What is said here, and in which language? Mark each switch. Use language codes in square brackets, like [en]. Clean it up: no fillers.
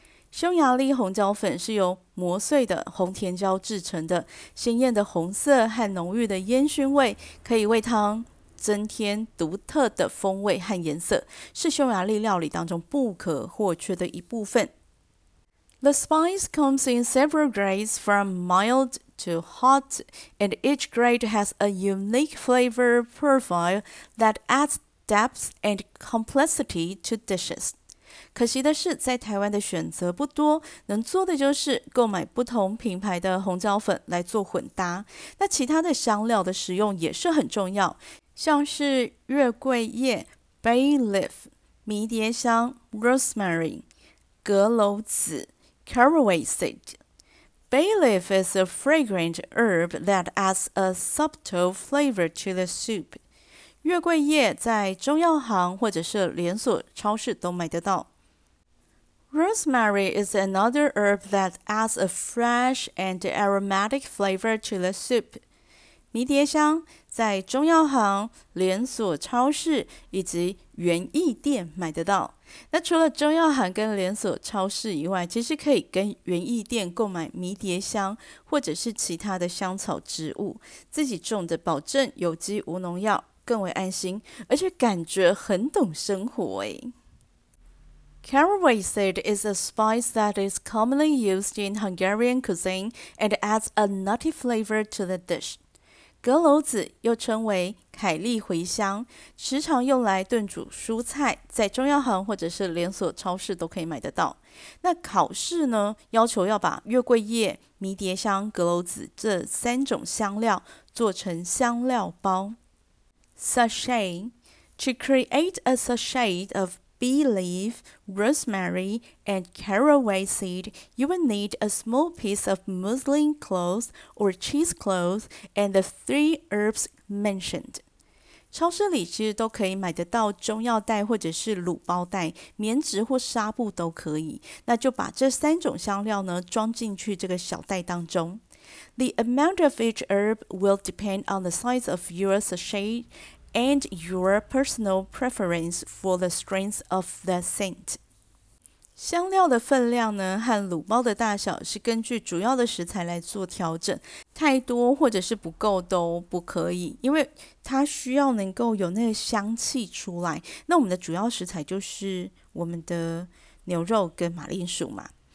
[zh] 匈牙利红椒粉是由磨碎的红甜椒制成的，鲜艳的红色和浓郁的烟熏味，可以为汤增添独特的风味和颜色，是匈牙利料理当中不可或缺的一部分。 [en] The spice comes in several grades from mild to hot, and each grade has a unique flavor profile that adds depth and complexity to dishes. [zh] 可惜的是，在台湾的选择不多，能做的就是购买不同品牌的红椒粉来做混搭。那其他的香料的使用也是很重要，像是月桂叶 （bay leaf）、迷迭香 （rosemary）、阁楼子 （caraway seed）。 [en] Bay leaf is a fragrant herb that adds a subtle flavor to the soup. [zh] 月桂叶在中药行或者是连锁超市都买得到。 [en] Rosemary is another herb that adds a fresh and aromatic flavor to the soup. [zh] 迷迭香在中药行、连锁超市以及园艺店买得到。那除了中药行跟连锁超市以外，其实可以跟园艺店购买迷迭香或者是其他的香草植物，自己种的，保证有机无农药，更为安心，而且感觉很懂生活诶。 [en] Caraway seed is a spice that is commonly used in Hungarian cuisine and adds a nutty flavor to the dish. [zh] 阁楼子又称为凯利茴香，时常用来炖煮蔬菜，在中药行或者是连锁超市都可以买得到。那考试呢，要求要把月桂叶、迷迭香、阁楼子这三种香料做成香料包。 [en] Sachet. To create a sachet of bay leaf, rosemary, and caraway seed, you will need a small piece of muslin cloth or cheesecloth and the three herbs mentioned. [zh] 超市里其实都可以买得到中药袋或者是卤包袋，棉质或纱布都可以。那就把这三种香料呢装进去这个小袋当中。 The amount of each herb will depend on the size of your sachet and your personal preference for the strength of the scent. 香料的分量呢，和卤包的大小是根据主要的食材来做调整，太多或者是不够都不可以，因为它需要能够有那个香气出来。那我们的主要食材就是我们的牛肉跟马铃薯嘛。